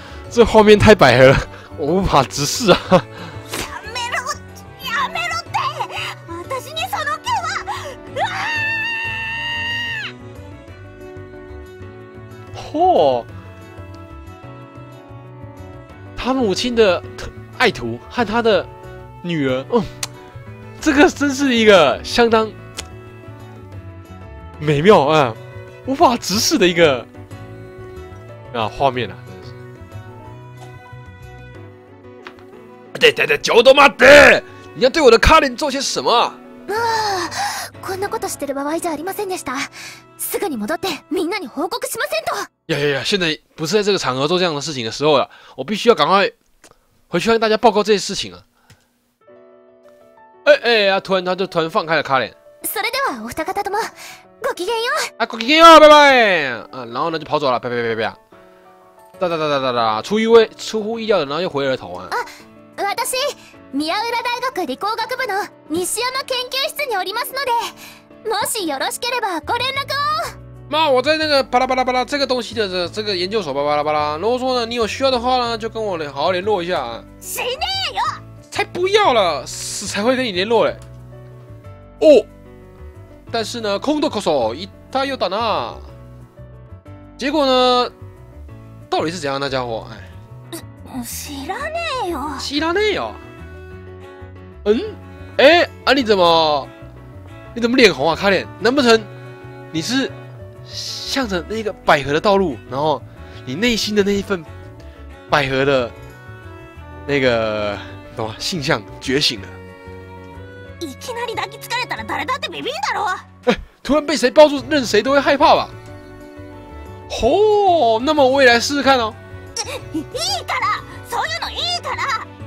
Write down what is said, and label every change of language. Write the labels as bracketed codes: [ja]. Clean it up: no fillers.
[zh] 这画面太白了，我无法直视啊！ [ja] やめろ、やめろって、私にその気は。嚯！ [zh] 他母亲的爱徒和他的女儿，这个真是一个相当美妙啊，无法直视的一个啊画面啊。 [ja] ちょっと待って！ [zh] 你要对我的カレン做些什么？ [ja] こんなことしてる場合じゃありませんでした。すぐに戻ってみんなに報告しませんと。いやいや、 [zh] 现在不是在这个场合做这样的事情的时候了。我必须要赶快回去跟大家报告这些事情了。突然放开了カレン。 [ja] それではお二方ともごきげんよう。 [zh] 啊， [ja] ごきげんよう， [zh] 拜拜。然后呢就跑走了，拜拜。哒，出乎意料的，然后又回了头啊。 [ja] 私、宮浦大学理工学部の西山研究室におりますので、もしよろしければご連絡を。まあ、 [zh] 我在那个巴拉巴拉巴拉这个东西的这个研究所巴拉巴拉。如果说呢，你有需要的话呢，就跟我好好联络一下啊。 [ja] 死ねえよ！ [zh] 才不要了，死才会跟你联络嘞。哦，但是呢，空洞可守，一他又打那，结果呢，到底是怎样？那家伙，哎。 [ja] 知らねえよ。知らねえよ。嗯？ [zh] 哎，啊你怎么脸红啊，卡脸？难不成你是向着那个百合的道路，然后你内心的那一份百合的那个什么性向觉醒了？ [ja] いきなり抱きつかれたら誰だってビビるだろ。 [zh] 突然被谁抱住，任谁都会害怕吧？哦，那么我也来试试看哦。 [ja] いいから、そういうのいいから。